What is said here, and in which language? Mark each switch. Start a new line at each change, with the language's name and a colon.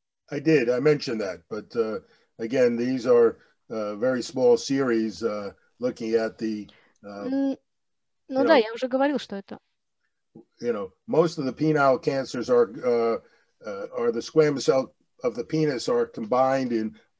English: I did, I mentioned that, but again, these are very small series looking at the...
Russian: Ну да, я уже говорил, что это...
English: You know, most of the penile cancers are the squamous cell of the penis are combined in...